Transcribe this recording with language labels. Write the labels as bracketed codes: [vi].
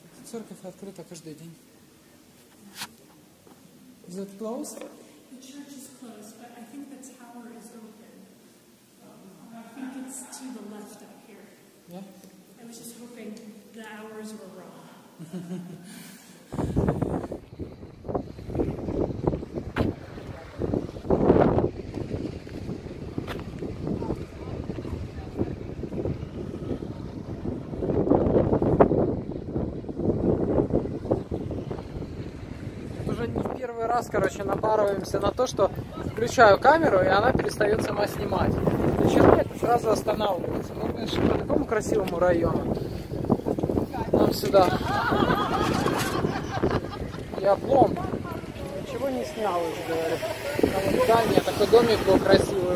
[ru] Церковь открыта каждый день. [en] Is that closed? The church is closed, but I think the tower is open. I think it's to the left up here. Yeah? I was just hoping that the hours were wrong. [ru] Уже не первый раз, короче, напарываемся на то, что включаю камеру, и она перестает сама снимать. Начинает, сразу останавливается. Ну, конечно, по такому красивому району. Нам сюда. Я облом. Ничего не снял уже, говорю. Да, нет, такой домик был красивый.